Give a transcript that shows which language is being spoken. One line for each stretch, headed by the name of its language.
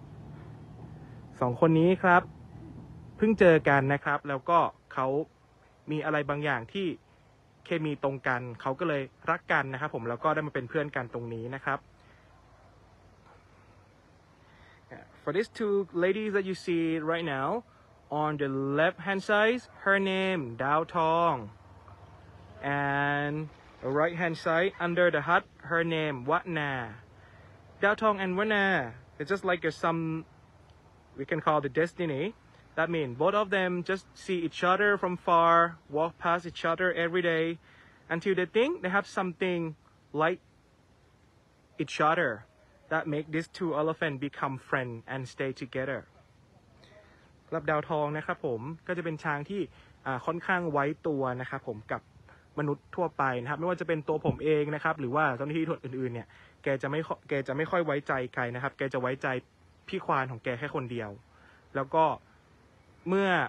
Thai: 2คนนี้ครับเพิ่งเจอกันนะครับแล้วก็เขามีอะไรบางอย่างที่เคมีตรงกันเขาก็เลยรักกันนะครับผมแล้วก็ได้มาเป็นเพื่อนกันตรงนี้นะครับ
English: For these two ladies that you see right now on the left hand side her name Dao TongAnd the right hand side under the hut, her name Watna. Dao Tong and Watna, it's just like some we can call the destiny. That means both of them just see each other from far, walk past each other every day until they think they have something like each other that make these two elephants become friends and stay together.
Thai: ครับ ดาวทองนะครับผมก็จะเป็นช้างที่ค่อนข้างไว้ตัวนะครับผมกับมนุษย์ทั่วไปนะครับไม่ว่าจะเป็นตัวผมเองนะครับหรือว่าเจ้าหน้าที่ทวดอื่นๆเนี่ยแกจะไม่ค่อยไว้ใจใครนะครับแกจะไว้ใจพี่ควานของแกแค่คนเดียวแล้วก็เมื่อ